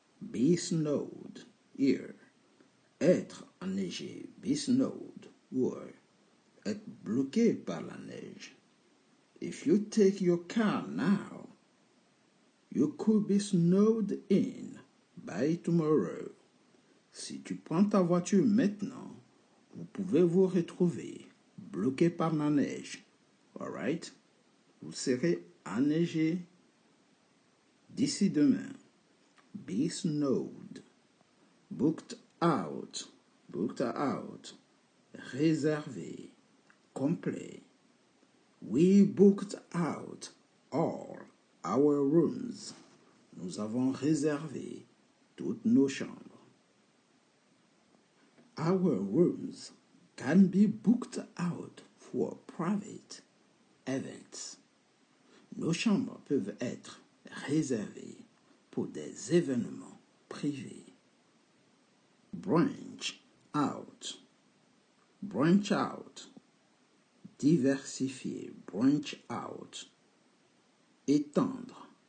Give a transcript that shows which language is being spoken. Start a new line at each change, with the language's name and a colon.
French: Be snowed, here, être enneigé, be snowed, or être bloqué par la neige.
English: If you take your car now, you could be snowed in by tomorrow.
French: Si tu prends ta voiture maintenant, vous pouvez vous retrouver bloqué par la neige,
English: alright?
French: Vous serez enneigé. D'ici demain, be snowed, booked out, réservé, complet.
English: We booked out all our rooms.
French: Nous avons réservé toutes nos chambres.
English: Our rooms can be booked out for private events.
French: Nos chambres peuvent être réservé pour des événements privés.
English: Branch out. Branch out.
French: Diversifier. Branch out. Étendre.